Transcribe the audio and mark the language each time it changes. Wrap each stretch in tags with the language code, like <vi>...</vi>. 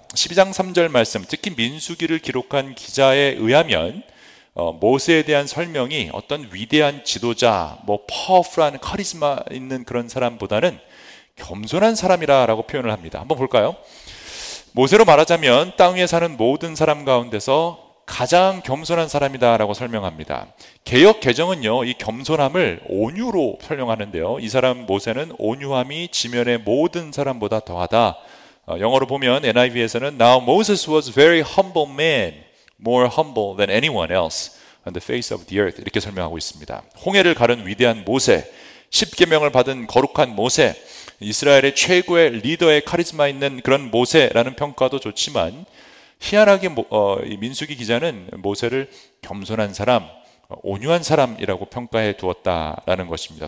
<ko>12장 3절 말씀, 특히 민수기를 기록한 기자에 의하면 모세에 대한 설명이 어떤 위대한 지도자, 뭐 파워풀한 카리스마 있는 그런 사람보다는 겸손한 사람이라고 표현을 합니다. 한번 볼까요? 모세로 말하자면 땅 위에 사는 모든 사람 가운데서 가장 겸손한 사람이다라고 설명합니다. 개역 개정은요, 이 겸손함을 온유로 설명하는데요. 이 사람 모세는 온유함이 지면의 모든 사람보다 더하다. 영어로 보면 NIV에서는</ko> <en>Now Moses was a very humble man, more humble than anyone else on the face of the earth.</en> <ko>이렇게 설명하고 있습니다. 홍해를 가른 위대한 모세, 십계명을 받은 거룩한 모세, 이스라엘의 최고의 리더의 카리스마 있는 그런 모세라는 평가도 좋지만 희한하게 민수기 기자는 모세를 겸손한 사람, 온유한 사람이라고 평가해 두었다라는 것입니다.</ko>